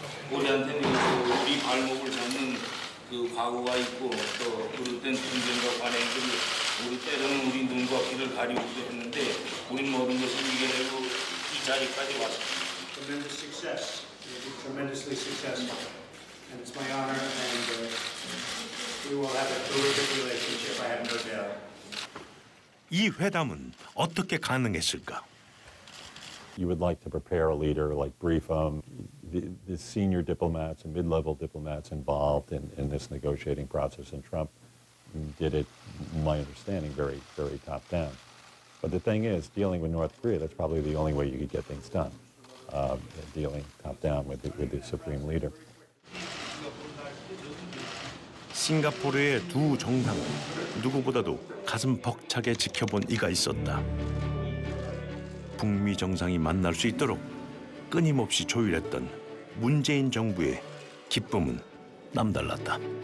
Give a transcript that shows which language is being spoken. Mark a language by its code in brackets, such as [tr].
[ko] 우리한테는 우리 발목을 잡는 그 과거가 있고 또 그릇된 분쟁과 관행들이 우리 때로는 우리 눈과 귀를 가리우기도 했는데 우린 모든 것을 이겨내고 이 자리까지 왔습니다. 이 회담은 어떻게 가능했을까? [en] You would like to prepare a leader, like brief them, the senior diplomats and mid-level diplomats involved in this negotiating process. And Trump did it, my understanding, very, very top-down. But the thing is, dealing with North Korea, that's probably the only way you could get things done, dealing top-down with the supreme leader. [ko] 싱가포르의 두 정상은 누구보다도 가슴 벅차게 지켜본 이가 있었다. 북미 정상이 만날 수 있도록 끊임없이 조율했던 문재인 정부의 기쁨은 남달랐다.